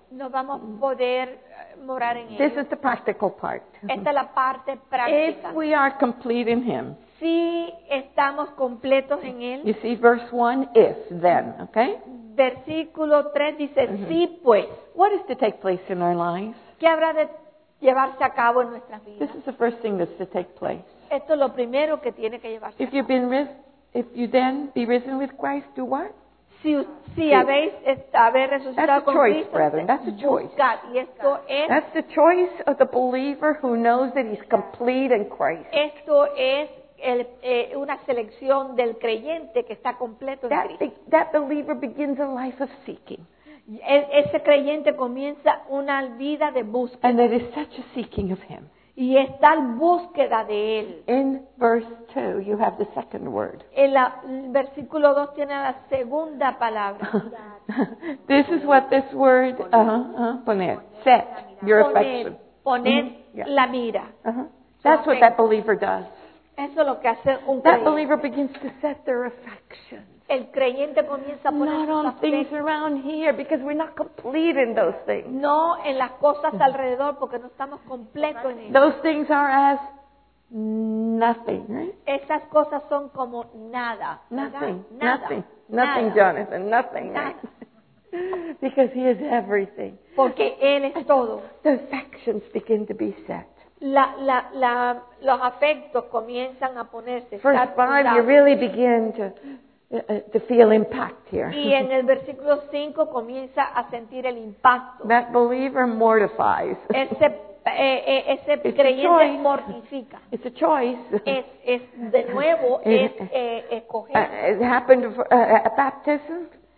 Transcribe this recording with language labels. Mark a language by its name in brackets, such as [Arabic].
[Spanish] No vamos a poder morar en Él. [English] This is the practical part. [Spanish] Esta es la parte práctica. [English] If we are complete in Him. [Spanish] Si estamos completos en Él. [English] You see, verse 1, if, then, okay? [Spanish] Versículo 3 dice, si, pues. [English] What is to take place in our lives? [Spanish] ¿Qué habrá de llevarse a cabo en nuestras vidas? [English] This is the first thing that's to take place. [Spanish] Esto es lo primero que tiene que llevarse [English] if [Spanish] a cabo. [English] If you then be risen with Christ, do what? [Spanish] Si habéis resucitado [English] that's a [Spanish] con [English] choice, [Spanish] Cristo, [English] brethren. That's a choice. [Spanish] Buscad, y esto es, [English] that's the choice of the believer who knows that he's complete in Christ. [Spanish] Esto es una selección del creyente que está completo en Cristo. [English] That believer begins a life of seeking. [Spanish] Ese creyente comienza una vida de búsqueda. [English] And there is such a seeking of him. [Spanish] Y está en búsqueda de él. [English] In verse 2, you have the second word. [Spanish] En el versículo 2 tiene la segunda palabra. [English] This is what this word, poner. Set your affection. [Spanish] Poner la mira. [English] That's what that believer does. [Spanish] Eso es lo que hace un creyente. [English] That believer begins to set their affections. [Spanish] El creyente comienza a poner [English] not on things around here because we're not complete in those things. [Spanish] No en las cosas alrededor porque no estamos completos en ellas. [English] Those things are as nothing, right? [Spanish] Esas cosas son como nada. [English] Nothing, [Spanish] nada, [English] nothing, [Spanish] nada, [English] nothing, [Spanish] nada. [English] Jonathan, nothing, nada. Right? Because He is everything. [Spanish] Porque Él es todo. [English] The affections begin to be set. [Spanish] Los afectos comienzan a ponerse. [English] First five, you really begin to feel impact here. [Spanish] Y en el versículo 5 comienza a sentir el impacto. [English] That believer mortifies. [Spanish] Ese creyente mortifica. [English] It's a choice. [Spanish] Es de nuevo escoger. [English] It happened at baptism.